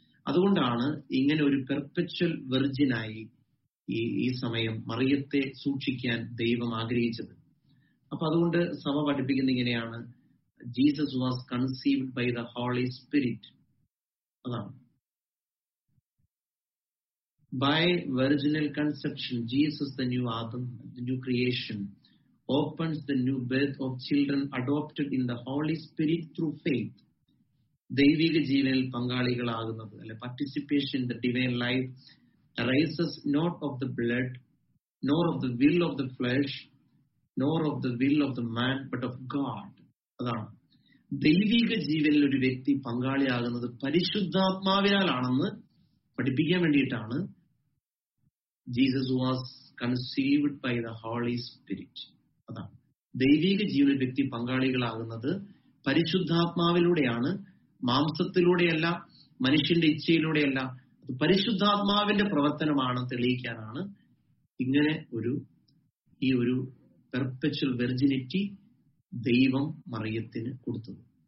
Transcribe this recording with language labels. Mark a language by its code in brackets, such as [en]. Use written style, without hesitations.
[ml] അതുകൊണ്ടാണ് ഇങ്ങനെ ഒരു പെർപ്പച്വൽ വെർജിനായി ഈ സമയം മറിയത്തെ സൂക്ഷിക്കാൻ ദൈവം ആഗ്രഹിച്ചത്. അപ്പൊ അതുകൊണ്ട് സഭ പഠിപ്പിക്കുന്ന ഇങ്ങനെയാണ്, [en] Jesus was conceived by the Holy Spirit. Adam. By virginal conception, Jesus, the new Adam, the new creation, opens the new birth of children adopted in the Holy Spirit through faith. [ml] Devika jeevanil pangaligal aagunnathu, alle [en] participation in the divine life, arises not of the blood, nor of the will of the flesh, nor of the will of the man, but of God. Adam. [ml] ദൈവിക ജീവനിൽ ഒരു വ്യക്തി പങ്കാളിയാകുന്നത് പരിശുദ്ധാത്മാവിനാലാണെന്ന് പഠിപ്പിക്കാൻ വേണ്ടിയിട്ടാണ് [en] Jesus was conceived by the Holy Spirit. [ml] അതാണ് ദൈവിക ജീവനിൽ വ്യക്തി പങ്കാളികളാകുന്നത് പരിശുദ്ധാത്മാവിലൂടെയാണ്, മാംസത്തിലൂടെയല്ല, മനുഷ്യന്റെ ഇച്ഛയിലൂടെയല്ല, അത് പരിശുദ്ധാത്മാവിന്റെ പ്രവർത്തനമാണ് തെളിയിക്കാനാണ് ഇങ്ങനെ ഒരു ഈ ഒരു പെർപ്പച്വൽ വെർജിനിറ്റി ദൈവം മറിയത്തിന് കൊടുത്തത്.